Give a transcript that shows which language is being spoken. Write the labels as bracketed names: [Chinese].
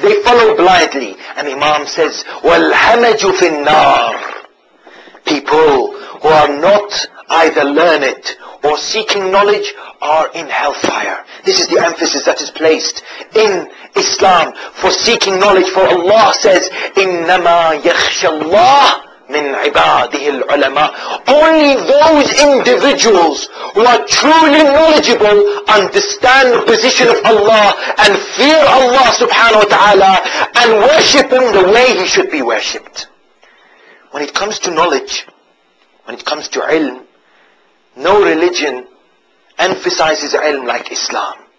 [English] They follow blindly. And Imam says, [Arabic] wal hamaju fin nar. [English] People who are not either learned or seeking knowledge are in hellfire. This is the emphasis that is placed in Islam for seeking knowledge. For Allah says, [Arabic] إِنَّمَا يَخْشَ اللَّهُ مِنْ عِبَادِهِ الْعُلَمَاءِ. [English] Only those individuals who are truly knowledgeable understand the position of Allah and fear Allah subhanahu wa ta'ala and worship Him the way He should be worshipped. When it comes to knowledge, when it comes to ilm, no religion emphasizes ilm like Islam.